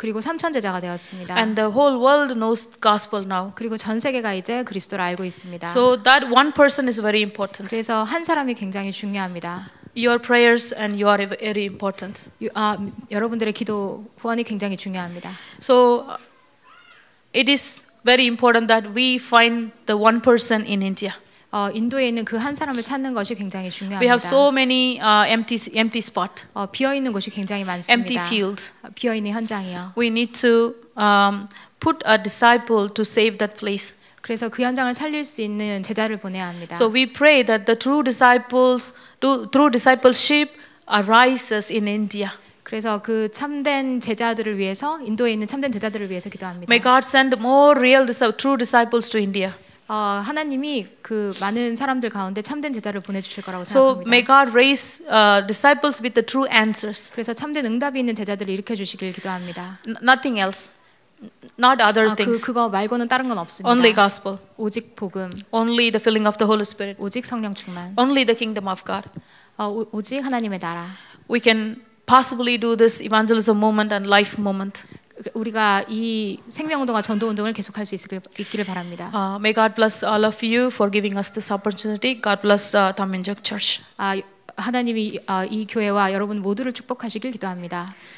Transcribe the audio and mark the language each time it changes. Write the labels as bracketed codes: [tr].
[ko] 그리고 3000 제자가 되었습니다. [en] And the whole world knows gospel now. [ko] 그리고 전 세계가 이제 그리스도를 알고 있습니다. [en] So that one person is very important. [ko] 그래서 한 사람이 굉장히 중요합니다. [en] Your prayers and you are very important. [ko] 여러분들의 기도 후원이 굉장히 중요합니다. [en] So it is very important that we find the one person in India. [ko] 인도에 있는 그 한 사람을 찾는 것이 굉장히 중요합니다. [en] We have so many empty spot. [ko] 비어 있는 곳이 굉장히 많습니다. [en] Empty field. [ko] 비어 있는 현장이요. [en] We need to put a disciple to save that place. [ko] 그래서 그 현장을 살릴 수 있는 제자를 보내야 합니다. [en] So we pray that the true disciples through discipleship arises in India. [ko] 그래서 그 참된 제자들을 위해서 인도에 있는 참된 제자들을 위해서 기도합니다. [en] May God send more real true disciples to India. [ko] 하나님이 그 많은 사람들 가운데 참된 제자를 보내 주실 거라고 생각합니다. [en] So may God raise disciples with the true answers. [ko] 그래서 참된 응답이 있는 제자들을 일으켜 주시길 기도합니다. [en] Nothing else. Not other things. [ko] 그거 말고는 다른 건 없습니다. [en] Only gospel. [ko] 오직 복음. [en] Only the filling of the Holy Spirit. [ko] 오직 성령 충만. [en] Only the kingdom of God. [ko] 오직 하나님의 나라. [en] We can possibly do this evangelism moment and life moment. [ko] 우리가 이 생명 운동과 전도 운동을 계속할 수 있기를 바랍니다. [en] May God bless all of you for giving us this opportunity. God bless Dhammajak Church. [ko] 하나님이 이 교회와 여러분 모두를 축복하시길 기도합니다.